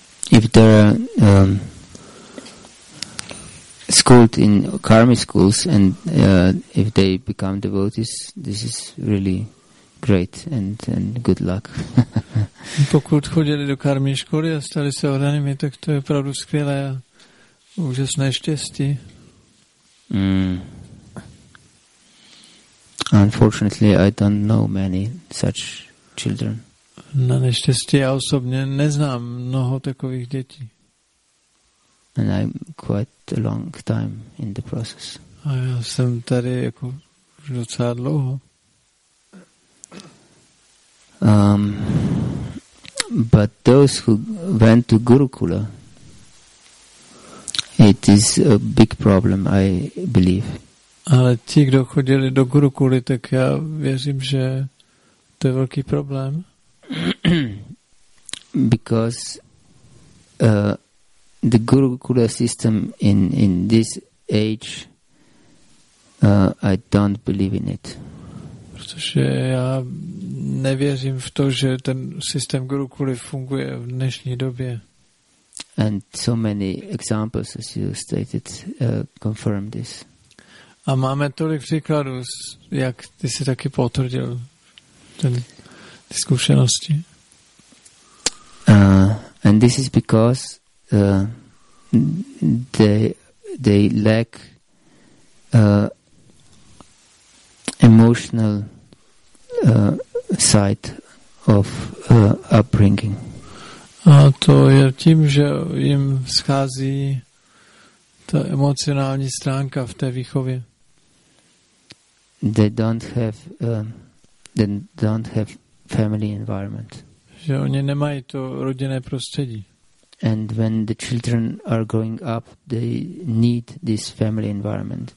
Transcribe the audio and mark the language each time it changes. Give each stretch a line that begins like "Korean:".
English: If they are schooled in karmi schools and if they become devotees, this is really great and good luck.
Czech: Pokud chodili do karmi školy a stali se ohranými, tak to je opravdu skvělé a úžasné štěstí.
English: Unfortunately, I don't know many such children.
Czech: Na neštěstí já osobně neznám mnoho takových dětí.
English: And I'm quite a long time in the process.
Czech: A já jsem tady jako docela dlouho.
English: But those who went to Gurukula, it is a big problem, I believe.
Czech: Ale ti, kdo chodili do Gurukuly, tak já věřím, že to je velký problém.
English: Because the Gurukula system in this age, I don't believe in it.
Czech: Protože já nevěřím v to, že ten systém Gurukuly funguje v dnešní době.
English: And so many examples, as you stated, confirm this.
Czech: A máme tolik příkladů, jak ty jsi taky potvrdil ty zkušenosti.
English: And this is because they lack emotional side of upbringing.
Czech: A to je tím, že jim schází ta emocionální stránka v té výchově.
English: They don't have family environment.
Czech: Že oni nemají to rodinné prostředí.
English: And when the children are growing up, they need this family environment.